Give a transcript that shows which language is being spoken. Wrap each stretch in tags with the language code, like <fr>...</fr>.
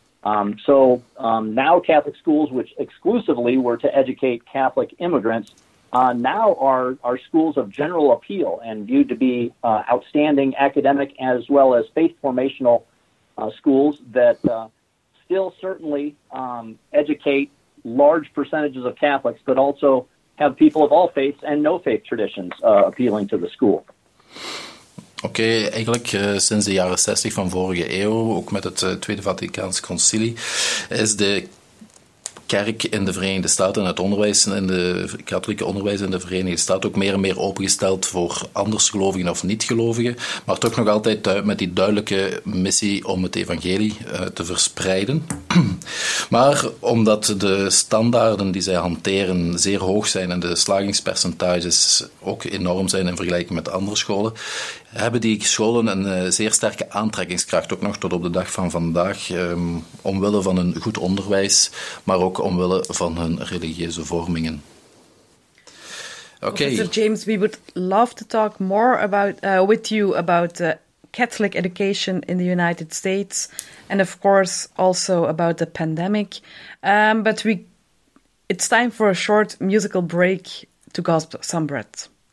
<en>Now Catholic schools, which exclusively were to educate Catholic immigrants, now are schools of general appeal and viewed to be outstanding academic as well as faith formational schools that still certainly educate large percentages of Catholics, but also have people of all faiths and no faith traditions appealing to the school.</en> <nl>Oké, eigenlijk sinds de jaren 60 van vorige eeuw, ook met het Tweede Vaticaans Concilie, is de kerk in de Verenigde Staten en het onderwijs in de katholieke onderwijs in de Verenigde Staten ook meer en meer opengesteld voor andersgelovigen of niet-gelovigen, maar toch nog altijd met die duidelijke missie om het evangelie te verspreiden. Maar omdat de standaarden die zij hanteren zeer hoog zijn en de slagingspercentages ook enorm zijn in vergelijking met andere scholen, hebben die scholen een zeer sterke aantrekkingskracht, ook nog tot op de dag van vandaag, omwille van hun goed onderwijs, maar ook omwille van hun religieuze vormingen.</nl> <en>Okay. Professor James, we would love to talk more about with you about Catholic education in the United States and of course also about the pandemic. But it's time for a short musical break to gasp some breath.</en>